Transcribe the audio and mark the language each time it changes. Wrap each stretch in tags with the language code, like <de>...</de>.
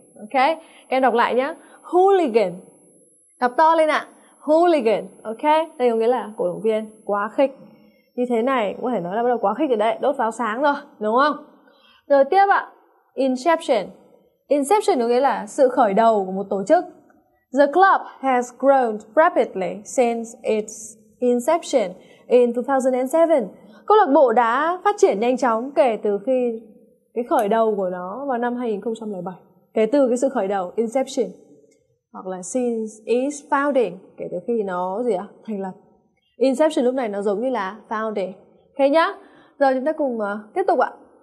<vi>Ok, các em đọc lại nhá. Hooligan. Đọc to lên ạ. Hooligan. Ok, đây có nghĩa là cổ động viên quá khích. Như thế này có thể nói là bắt đầu quá khích rồi đấy, đốt pháo sáng rồi, đúng không? Rồi tiếp ạ. Inception. Inception có nghĩa là sự khởi đầu của một tổ chức.</vi> <en>The club has grown rapidly since its inception in 2007.</en> <vi>Câu lạc bộ đã phát triển nhanh chóng kể từ khi cái khởi đầu của nó vào năm 2007. Kể từ cái sự khởi đầu, inception. Hoặc là</vi> <en>since its founding,</en> <vi>kể từ khi nó gì ạ? Thành lập. Inception lúc này nó giống như là founding. Ok nhá. Rồi chúng ta cùng tiếp tục ạ.</vi>